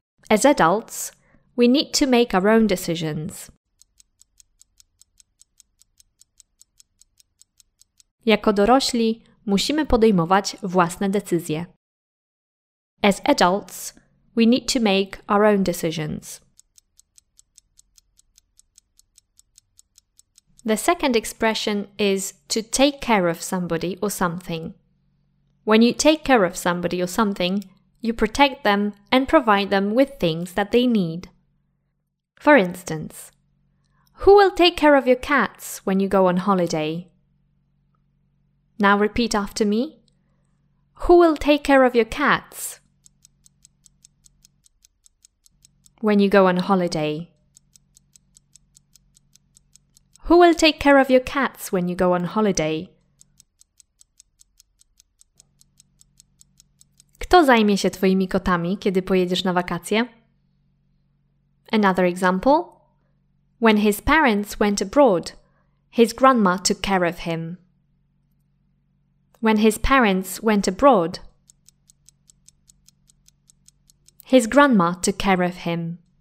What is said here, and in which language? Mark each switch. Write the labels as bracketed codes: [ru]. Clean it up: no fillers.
[en] As adults, we need to make our own decisions. [pl] Jako dorośli musimy podejmować własne decyzje. [en] As adults, we need to make our own decisions. The second expression is to take care of somebody or something. When you take care of somebody or something, you protect them and provide them with things that they need. For instance, who will take care of your cats when you go on holiday? Now repeat after me. Who will take care of your cats when you go on holiday? Who will take care of your cats when you go on holiday? [pl] Kto zajmie się twoimi kotami, kiedy pojedziesz na wakacje? [en] Another example. When his parents went abroad, his grandma took care of him. When his parents went abroad, his grandma took care of him.